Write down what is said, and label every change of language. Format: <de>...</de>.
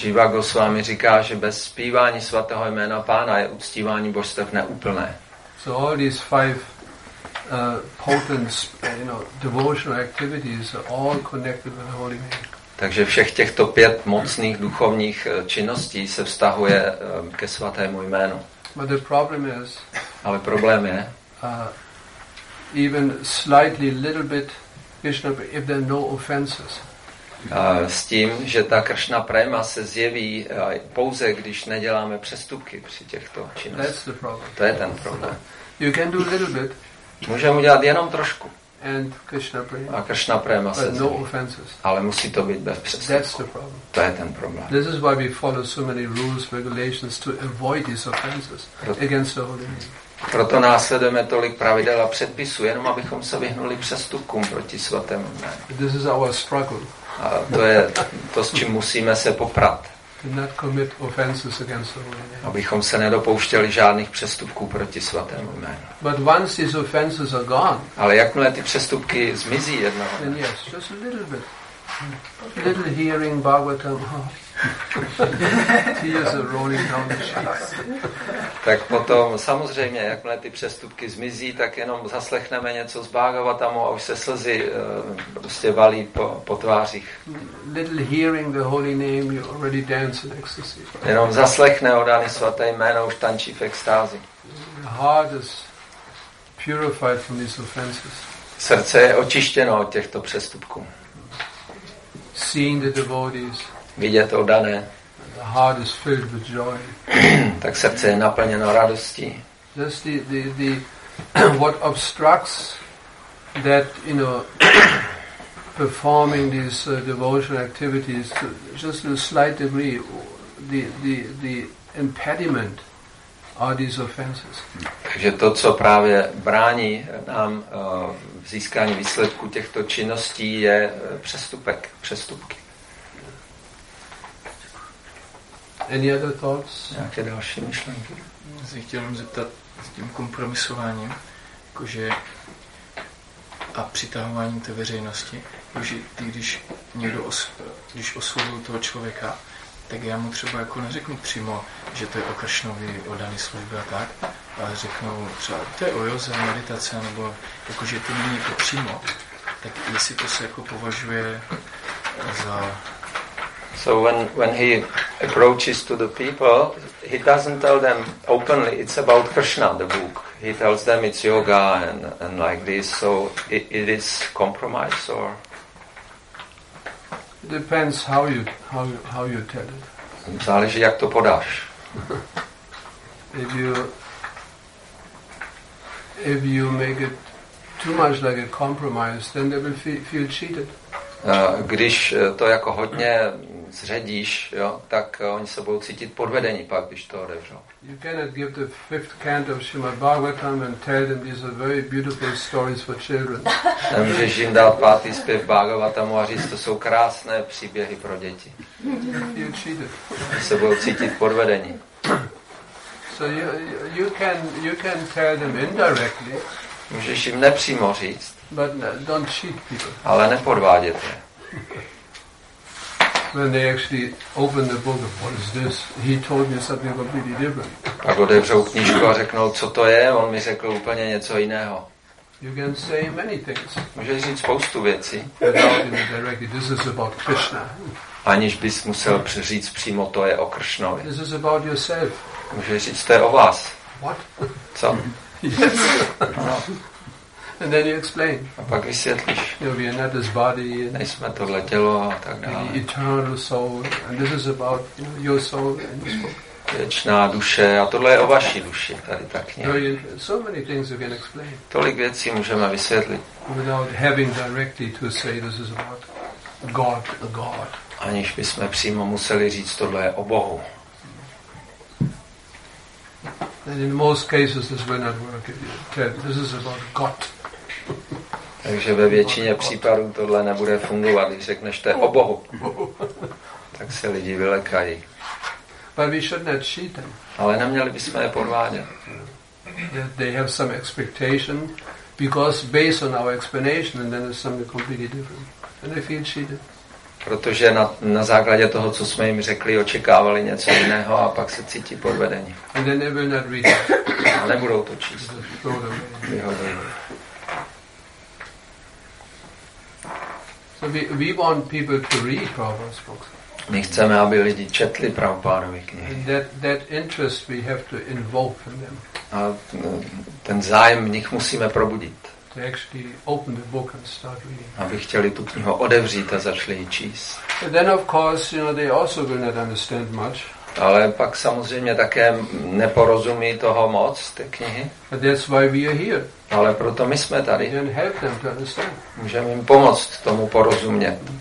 <cs>Jiva Goswami říká, že bez zpívání svatého jména pána je uctívání božstev neúplné.</cs> <en>So all these five potent, you know, devotional activities are all connected with the holy name.</en> <cs>Takže všech těchto pět mocných duchovních činností se vztahuje ke svatému jménu.</cs> <en>But the problem is,</en> <cs>ale problém je,</cs> <en>even slightly, little bit, Krishna, if there are no offenses.</en> <cs>S tím, že ta Krishna prema se zjeví pouze, když neděláme přestupky při těchto činnostech.</cs> <en>That's the problem.</en> <cs>To je ten problém.</cs> <en>You can do a little bit.</en> <cs>Můžeme udělat jenom trošku.</cs> <en>And Krishna prema.</en> <cs>A Krishna prema</cs> <en>but</en> <cs>se zjeví.</cs> <en>No offenses.</en> <cs>Ale musí to být bez přestupku.</cs> <en>That's the problem.</en> <cs>To je ten problém.</cs> <en>This is why we follow so many rules, regulations to avoid these offenses against the holy name.</en> <cs>Proto následujeme tolik pravidel a předpisů, jenom abychom se vyhnuli přestupkům proti svatému jménu.</cs> <en>This is our struggle.</en> <cs>A to je to, s čím musíme se poprat.</cs> <en>Not commit offenses against the holy name.</en> <cs>Abychom se nedopouštěli žádných přestupků proti svatému jménu.</cs> <en>But once these offenses are gone.</en> <cs>Ale jakmile ty přestupky zmizí jednou.</cs> <en>Then yes, just a little bit. A little hearing Bhagavatam. Tears are rolling down the cheeks.</en> <cs>Tak potom samozřejmě, jakmile ty přestupky zmizí, tak jenom zaslechneme něco z Bhagavatamu a už se slzy prostě valí po tvářích.</cs> <en>Little hearing the holy name, you already dance in ecstasy.</en> <cs>Jenom zaslechne oddaný svaté jméno, už tančí v extázi.</cs> <en>The heart is purified from these offenses.</en> <cs>Srdce je očištěno od těchto přestupků.</cs> <en>Seeing the devotees.</en> <cs>Vidět oddané.</cs> <en>The heart is filled with joy.</en> <cs>Tak srdce je naplněno radostí.</cs> <en>Just the what obstructs that, you know, performing these devotional activities to just in a slight degree, the impediment are these offenses.</en> <cs>Takže to, co právě brání nám v získání výsledku těchto činností, je přestupky.</cs> <en>Any other thoughts?</en> <cs>Nějaké další myšlenky? Já se chtěl zeptat s tím kompromisováním, jakože a přitahováním té veřejnosti, jakože ty, když oslovuju toho člověka, tak já mu třeba jako neřeknu přímo, že to je o Kršnovi, o daný službě a tak, ale řeknu třeba, to je o Joze, meditace, nebo jakože to není jako přímo, tak jestli to se jako považuje za...</cs> <en>So when he approaches to the people, he doesn't tell them openly it's about Krishna, the book. he tells them it's yoga and like this, so it is compromise or? It depends how you tell it.</en> <cs>Záleží, jak to podáš.</cs> <en>If you make it too much like a compromise, then they will feel cheated.</en> <cs>Když to jako hodně zředíš, jo, tak oni se budou cítit podvedení pak, když to odevřou.</cs> <en>You cannot give the fifth canto of Srimad Bhagavatam and tell them these are very beautiful stories for children.</en> <cs>Nemůžeš jim dát pátý zpěv Bhagavatamu a říct, to jsou krásné příběhy pro děti.</cs> <en>You cheated.</en> <cs>Se budou cítit podvedení.</cs> <en>So you can tell them indirectly.</en> <cs>Můžeš jim nepřímo říct.</cs> <en>But don't cheat people.</en> <cs>Ale nepodvádět je.</cs> <en>When they actually open the book, what is this? He told me something completely different.</en> <cs>Pak otevřou knížku a řeknou, co to je? On mi řekl úplně něco jiného.</cs> <en>You can say many things.</en> <cs>Můžeš říct spoustu věcí.</cs> <en>Directly, this is about Krishna.</en> <cs>Aniž bys musel říct přímo, to je o Kršnovi.</cs> <en>This is about yourself.</en> <cs>Můžeš říct, to je o vás.</cs> <en>What?</en> <cs>Co?</cs> <en>Yes. No. And then you explain.</en> <cs>A pak vysvětlíš.</cs> <en>You know, we are not this body.</en> <cs>Nejsme tohle tělo a tak dále.</cs> <en>The eternal soul. And this is about, you know, your soul. And this book.</en> <cs>Věčná duše. A tohle je o vaší duši. Tady tak nějak.</cs> <en>No, so many things you can explain.</en> <cs>Tolik věcí můžeme vysvětlit.</cs> <en>Without having directly to say this is about God, the God.</en> <cs>Aniž bychom přímo museli říct, tohle je o Bohu.</cs> <en>And in most cases this will not work. This is about God.</en> <cs>Takže ve většině případů tohle nebude fungovat, když řekneš, to je o Bohu. Tak se lidi vylekají.</cs> <en>But we should not cheat them.</en> <cs>Ale neměli bychom je podvádět.</cs> <en>They have some expectation because based on our explanation and then it's something completely different. And they feel cheated.</en> <cs>Protože na základě toho, co jsme jim řekli, očekávali něco jiného a pak se cítí podvedení.</cs> <en>And then they will not read it.</en> <cs>A nebudou to číst. Vyhodují.</cs> <en>So we want people to read Prabhupada's books.</en> <cs>My chceme, aby lidi četli Prabhupádovy knihy.</cs> <en>And that interest we have to invoke in them.</en> <cs>A ten zájem v nich musíme probudit.</cs> <en>To actually open the book and start reading.</en> <cs>Aby chtěli tu knihu odevřít a začali ji číst.</cs> <en>But then of course, you know, they also will not understand much.</en> <cs>Ale pak samozřejmě také neporozumí toho moc, ty knihy.</cs> <en>But that's why we are here.</en> <cs>Ale proto my jsme tady.</cs> <en>We can help them to understand.</en> <cs>Můžeme jim pomoct tomu porozumět.</cs>